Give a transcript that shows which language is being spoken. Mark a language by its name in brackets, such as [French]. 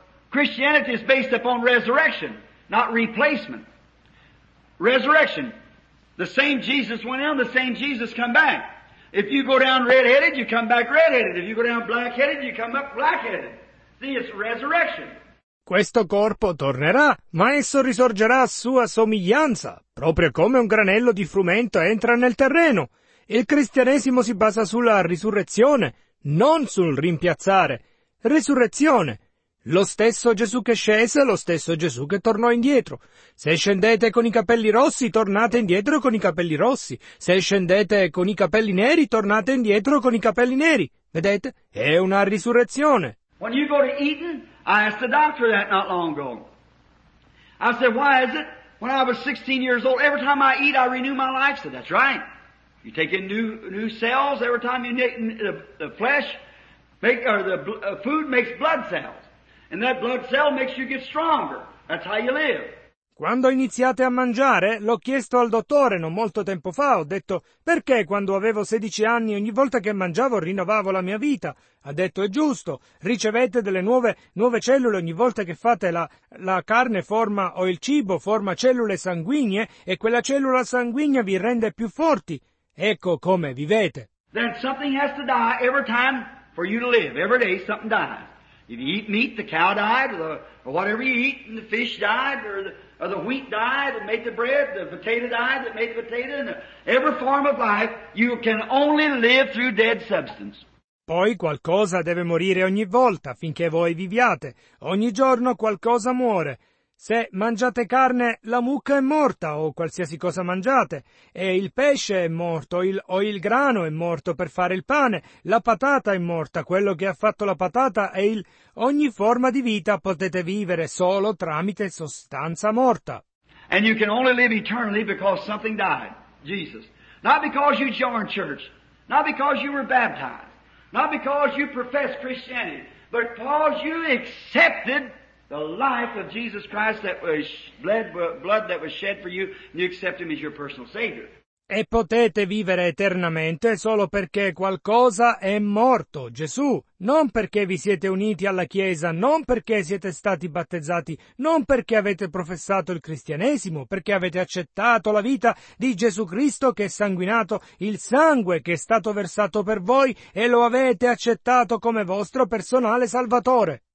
[English] Christianity is based upon resurrection, not replacement. Resurrection. The same Jesus went down, the same Jesus come back. If you go down red-headed, you come back red-headed. If you go down black-headed, you come up black-headed. See, it's resurrection. [Italian] Questo corpo tornerà, ma esso risorgerà a sua somiglianza, proprio come un granello di frumento entra nel terreno. Il cristianesimo si basa sulla risurrezione, non sul rimpiazzare. Risurrezione. Lo stesso Gesù che scese, lo stesso Gesù che tornò indietro. Se scendete con i capelli rossi, tornate indietro con i capelli rossi. Se scendete con i capelli neri, tornate indietro con i capelli neri. Vedete? È una risurrezione. [English] When you go to Eden, I asked the doctor that not long ago. I said, why is it when I was 16 years old, every time I eat, I renew my life? I said, that's right. You take in new cells every time you eat the flesh, food makes blood cells. And that blood cell makes you get stronger. That's how you live. [Italian] Quando iniziate a mangiare, l'ho chiesto al dottore non molto tempo fa, ho detto, perché quando avevo 16 anni ogni volta che mangiavo rinnovavo la mia vita? Ha detto, è giusto, ricevete delle nuove cellule ogni volta che fate la carne forma o il cibo forma cellule sanguigne e quella cellula sanguigna vi rende più forti. Ecco come vivete. [English] Then something has to die every time for you to live. Every day something dies. If you eat meat, the cow died, or whatever you eat, and the fish died, or the wheat died that made the bread, the potato died that made the potato, and every form of life, you can only live through dead substance. [Italian] Poi qualcosa deve morire ogni volta, finché voi viviate. Ogni giorno qualcosa muore. Se mangiate carne, la mucca è morta, o qualsiasi cosa mangiate, e il pesce è morto, o il grano è morto per fare il pane, la patata è morta, quello che ha fatto la patata è il... Ogni forma di vita potete vivere solo tramite sostanza morta. [English] And you can only live eternally because something died, Jesus. Not because you joined church, not because you were baptized, not because you professed Christianity, but because you accepted the life of Jesus Christ that was blood that was shed for you, and you accept him as your personal savior. [Italian] E potete vivere eternamente solo perché qualcosa è morto, Gesù, non perché vi siete uniti alla Chiesa, non perché siete stati battezzati, non perché avete professato il cristianesimo, perché avete accettato la vita di Gesù Cristo che è sanguinato, il sangue che è stato versato per voi e lo avete accettato come vostro personale salvatore.